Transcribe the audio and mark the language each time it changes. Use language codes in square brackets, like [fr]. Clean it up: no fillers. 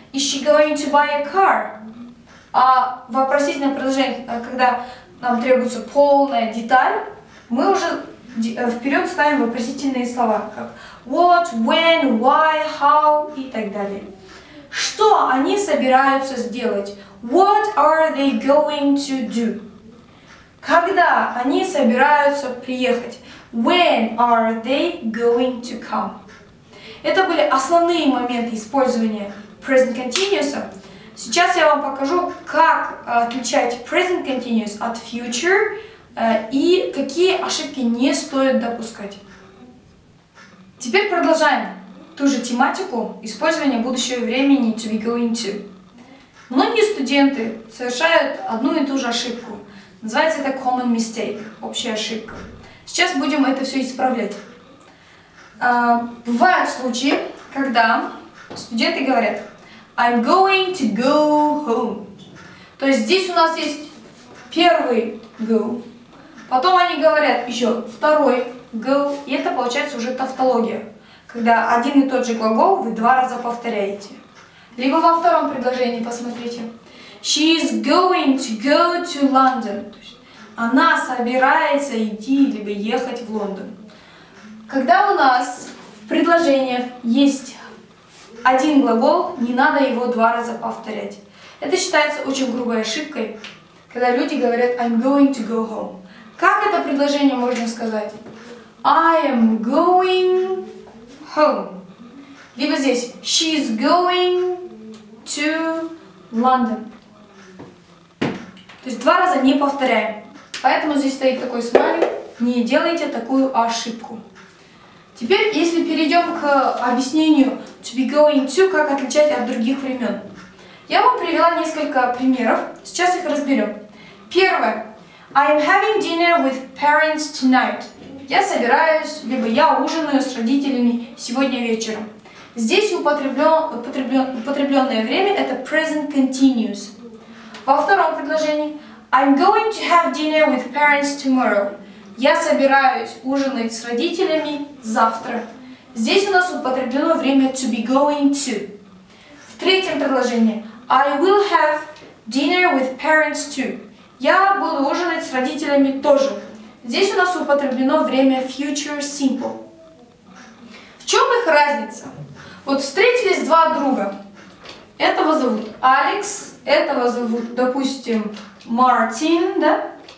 [en] Is she going to buy a car? [ru] А в вопросительном предложении, когда нам требуется полная деталь, мы уже вперед ставим вопросительные слова, как what, when, why, how и так далее. Что они собираются сделать? [en] What are they going to do? [ru] Когда они собираются приехать? [en] When are they going to come? [ru] Это были основные моменты использования present continuous. Сейчас я вам покажу, как отличать present continuous от future и какие ошибки не стоит допускать. Теперь продолжаем ту же тематику использования будущего времени to be going to. Многие студенты совершают одну и ту же ошибку. Называется это common mistake, общая ошибка. Сейчас будем это все исправлять. Бывают случаи, когда студенты говорят [en] I'm going to go home. [ru] То есть здесь у нас есть первый go, потом они говорят еще второй go, и это получается уже тавтология, когда один и тот же глагол вы два раза повторяете. Либо во втором предложении посмотрите. [en] She is going to go to London. [ru] То есть она собирается идти либо ехать в Лондон. Когда у нас в предложениях есть один глагол, не надо его два раза повторять. Это считается очень грубой ошибкой, когда люди говорят [en] I'm going to go home. [ru] Как это предложение можно сказать? [en] I am going home. [ru] Либо здесь [en] She is going to London. [ru] То есть два раза не повторяем. Поэтому здесь стоит такой смайлик. Не делайте такую ошибку. Теперь, если перейдем к объяснению to be going to, как отличать от других времен. Я вам привела несколько примеров. Сейчас их разберем. Первое. [en] I am having dinner with parents tonight. [ru] Я собираюсь, либо я ужинаю с родителями сегодня вечером. Здесь употребленное время – это present continuous. Во втором предложении [en] I'm going to have dinner with parents tomorrow. [ru] Я собираюсь ужинать с родителями завтра. Здесь у нас употреблено время to be going to. В третьем предложении [en] I will have dinner with parents too. [ru] Я буду ужинать с родителями тоже. Здесь у нас употреблено время future simple. В чем их разница? Вот встретились два друга. Этого зовут Алекс, этого зовут, допустим, Мартин, да?